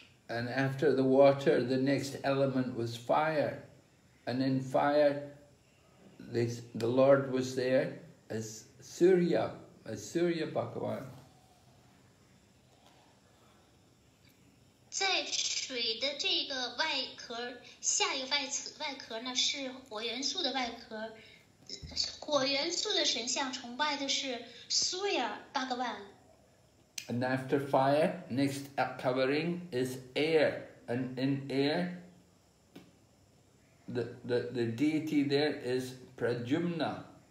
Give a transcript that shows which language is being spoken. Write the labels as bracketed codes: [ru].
[en] And after the water, the next element was fire. And in fire, the Lord was there as Surya Bhagavan. [zh] 在水的这个外壳，下一个外壳呢，是火元素的外壳。 [en] And after fire, next covering is air, and in air, the deity there is Pradyumna.